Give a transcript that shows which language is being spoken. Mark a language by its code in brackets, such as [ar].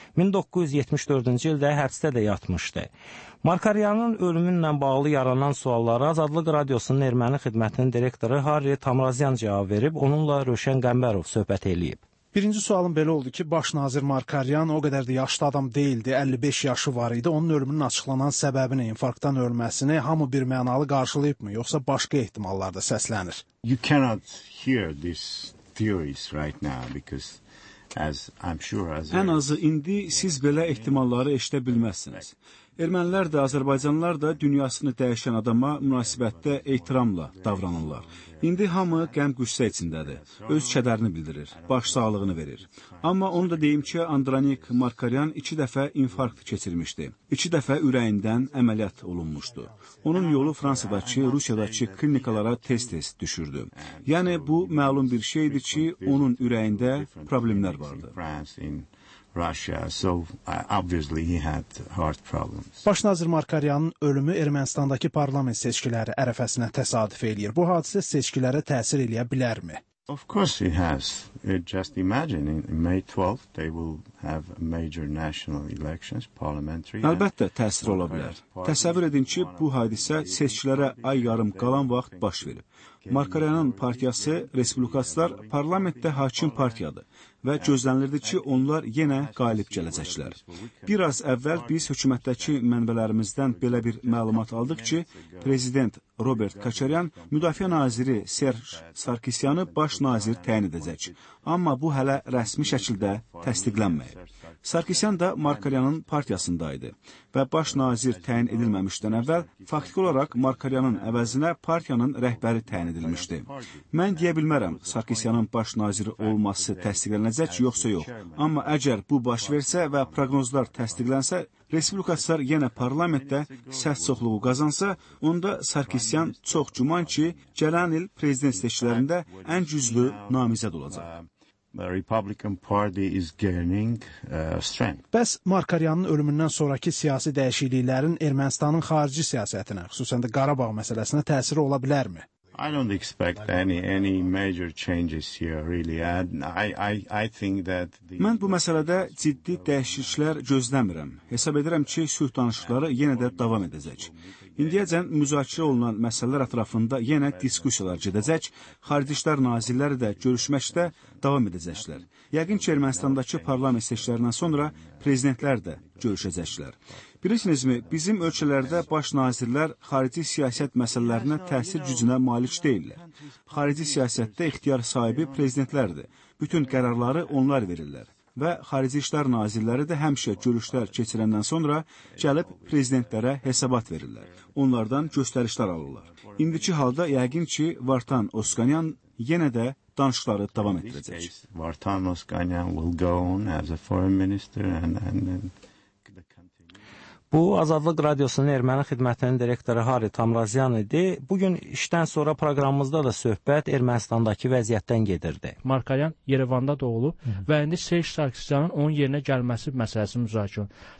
[az] 1974-cü ildə həbsdə də yatmışdı. Markaryanın ölümünlə bağlı yaranan sualları Azadlıq Radiosunun erməni xidmətinin direktoru Harri Tamrazyan cavab verib, onunla Rövşən Qəmbərov söhbət eləyib. Birinci sualım belə oldu ki, başnazir Markaryan o qədər də yaşlı adam deyildi, 55 yaşı var idi. Onun ölümünün açıqlanan səbəbini, infarktdan ölməsini hamı bir mənalı qarşılayıbmı, yoxsa başqa ehtimallar da səslənir? [en] You cannot hear these theories right now because... [az] Ən azı indi siz belə ehtimalları eşidə bilməzsiniz. Ermənilər də, Azərbaycanlılar da dünyasını dəyişən adama münasibətdə ehtiramla davranırlar. İndi hamı qəm-qüssə içindədir, öz kədərini bildirir, başsağlığını verir. Amma onu da deyim ki, Andranik Markaryan iki dəfə infarkt keçirmişdi. İki dəfə ürəyindən əməliyyat olunmuşdu. Onun yolu Fransadakı, Rusiyadakı klinikalara tez-tez düşürdü. Yəni, bu məlum bir şeydir ki, onun ürəyində problemlər vardı. Başnazir Markaryanın ölümü Ermənistandakı parlament seçkiləri ərəfəsinə təsadüf eləyir. Bu hadisə seçkilərə təsir eləyə bilərmi? [en] Of course it has. Just imagine in May 12th they will have major national elections, parliamentary. [az] Əlbəttə təsir ola bilər. Təsəvvür edin ki, bu hadisə seçkilərə ay yarım qalan vaxt baş verib. Markaryanın partiyası Respublikaçılar parlamentdə hakim partiyadır və gözlənilirdi ki, onlar yenə qalib gələcəklər. Bir az əvvəl biz hökumətdəki mənbələrimizdən belə bir məlumat aldıq ki, prezident Robert Koçaryan müdafiə naziri Serj Sarkisyanı baş nazir təyin edəcək. Amma bu hələ rəsmi şəkildə təsdiqlənməyib. Sarkisyan da Markaryanın partiyasındaydı və baş nazir təyin edilməmişdən əvvəl faktiki olaraq Markaryanın əvəzinə partiyanın rəhbəri təyin edilmişdir. edilmişdi. Mən deyə bilmərəm, Sarkisyanın baş naziri olması təsdiqlənəcək, yoxsa yox. Amma əgər bu baş versə və proqnozlar təsdiqlənsə, Respublikaçılar yenə parlamentdə səs çoxluğu qazansa, onda Sarkisyan çox cüman ki, gələn il prezident seçkilərində ən güclü namizəd olacaq. [en] The Republican Party is gaining strength. [az] Bəs Markaryanın ölümündən sonrakı siyasi dəyişikliklərin Ermənistanın xarici siyasətinə, xüsusən də Qarabağ məsələsinə təsiri ola bilərmi? [en] I don't expect any major changes here really. I think that [az] Mən bu məsələdə ciddi dəyişikliklər gözləmirəm. Hesab edirəm ki, sülh danışıqları yenə də davam edəcək. İndiyəcən müzakirə olunan məsələlər ətrafında yenə diskussiyalar gedəcək, xarici işlər nazirləri də görüşməkdə davam edəcəklər. Yəqin ki, Ermənistandakı parlament seçkilərindən sonra prezidentlər də görüşəcəklər. Bilirsinizmi, bizim ölkələrdə baş nazirlər xarici siyasət məsələlərinə təsir gücünə malik deyillər. Xarici siyasətdə ixtiyar sahibi prezidentlərdir. Bütün qərarları onlar verirlər. Və xarici işlər nazirləri də həmişə görüşlər keçirəndən sonra gəlib prezidentlərə hesabat verirlər. Onlardan göstərişlər alırlar. İndiki halda yəqin ki, Vartan Oskanyan yenə də danışıqları davam etdirəcək. [en] Vartan Oskanyan will go on as a foreign minister [az] Bu, Azadlıq Radiosunun erməni xidmətinin direktoru Hari Tamrazyan idi. Bugün işdən sonra proqramımızda da söhbət Ermənistandakı vəziyyətdən gedirdi. Markaryan Yerevanda doğulub və indi Serj Sarkisyanın onun yerinə gəlməsi məsələsi müzakirə olunur.